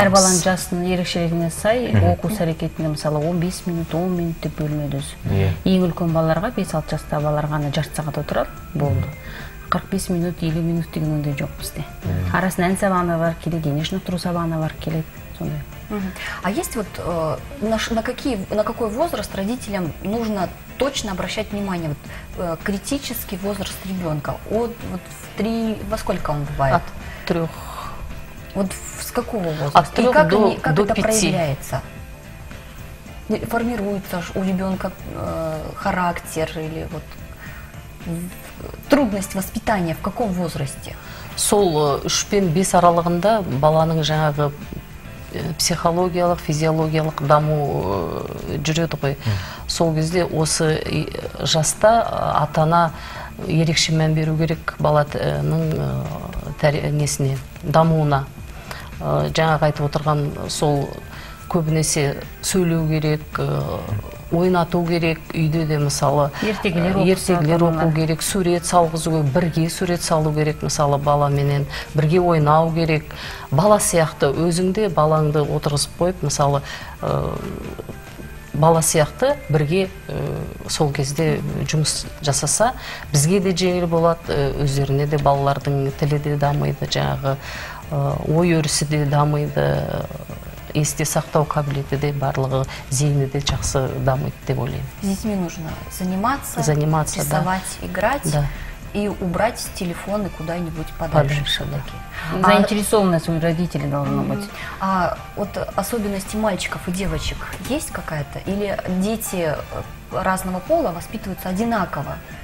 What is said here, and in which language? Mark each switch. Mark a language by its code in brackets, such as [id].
[kk] Әр баланың жасының ерекшелігіне сай оқу әрекетіне, мысалы, 15 минут, 10 минут деп бөлмедіңіз. Ең үлкен балаларға 5-6 жаста балаларға ғана жарты сағат отырады, болды. 45 минут, 50 минут деген ондай жоқ бізде. Арасында ән сабағы бар, келеді, дене шынықтыру сабағы бар, келеді. [ru] А есть вот на какой возраст родителям нужно точно обращать внимание? Вот, критический возраст ребенка. Во сколько он бывает? От трех. Вот с какого возраста? От и как, до, они, как до это пяти. Проявляется? Формируется у ребенка характер или вот трудность воспитания в каком возрасте? [kk] Сол шпен бес аралығында баланың жаңағы психологиялық, физиологиялық даму жүреді ғой. Сол кезде осы жаста атана ерекше мән беру керек баланың тәрбиесіне, дамуына. Жаңағы айтып отырған сол көбінесе сөйлеу керек, ойнату керек, үйде де мысалы ертегілер оқу керек, сурет салғызу керек, бірге сурет салу керек, мысалы баламенен бірге ойнау керек. Бала сияқты өзіңде балаңды отырғызып қойып, мысалы бала сияқты бірге сол кезде жұмыс жасаса, бізге де жеңіл болады, өздеріне де балалардың тілі де дамиды, жаңағы ой өрісі де дамиды. Есте сақтау қабілеті де барлығы зейіні де жақсы дамиды деп ойлаймын. [ru] С детьми нужно заниматься, рисовать, да. Играть, да. И убрать телефоны куда-нибудь подальше все-таки. Да. Заинтересованность у родителей должна быть. А вот особенности мальчиков и девочек есть какая-то? Или дети разного пола воспитываются одинаково?